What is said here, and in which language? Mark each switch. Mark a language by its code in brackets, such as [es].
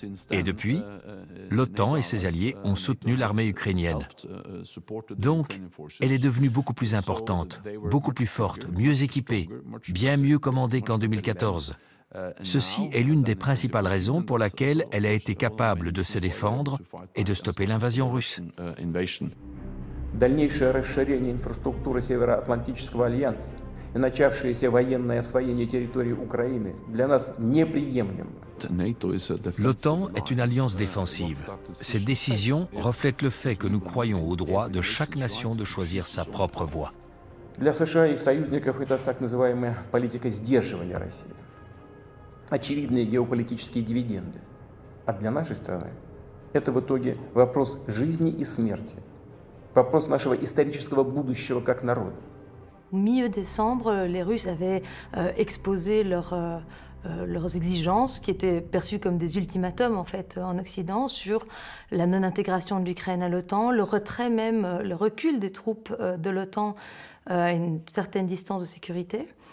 [fr] Et depuis, l'OTAN et ses alliés ont soutenu l'armée ukrainienne. Donc, elle est devenue beaucoup plus importante, beaucoup plus forte, mieux équipée, bien mieux commandée qu'en 2014. Ceci est l'une des principales raisons pour laquelle elle a été capable de se défendre et de stopper l'invasion russe. [ru] Дальнейшее расширение инфраструктуры Североатлантического альянса и начавшееся военное освоение территории Украины для нас неприемлемо. [fr] L'OTAN est une alliance défensive. Cette décision reflète le fait que nous croyons au droit de chaque nation de choisir sa propre voie. [ru] Для США и их союзников это так называемая политика сдерживания России. Очевидные геополитические дивиденды. А для нашей страны это в итоге вопрос жизни и смерти, вопрос нашего исторического будущего как народа. [fr] Au milieu décembre, les Russes avaient exposé leurs exigences, qui étaient perçues comme des ultimatums en fait en Occident, sur la non-intégration de l'Ukraine à l'OTAN, le retrait même, le recul des troupes de l'OTAN à une certaine distance de sécurité.